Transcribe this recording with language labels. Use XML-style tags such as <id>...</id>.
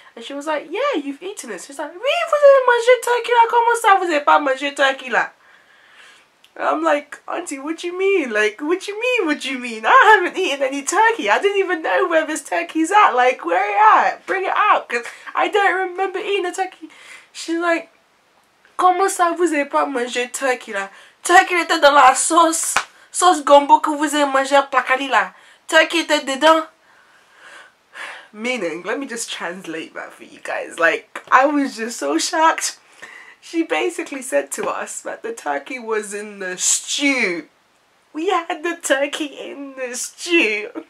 <en>And she was like, yeah, you've eaten it. She's like,</en> <fr>oui, vous avez mangé turkey, là? Comment ça, vous avez pas mangé turkey, là?</fr> <en>I'm like, Auntie, what do you mean? Like, what do you mean, what do you mean? I haven't eaten any turkey. I didn't even know where this turkey's at. Like, where are you at? Bring it out, because I don't remember eating a turkey. She's like,</en> <fr>comment ça vous avez pas mangé turkey, là? Turkey était dans la sauce gumbo que vous avez mangé à placali, là. Turkey était dedans.</fr> <en>Meaning, let me just translate that for you guys. Like, I was just so shocked. She basically said to us that the turkey was in the stew. We had the turkey in the stew.</en>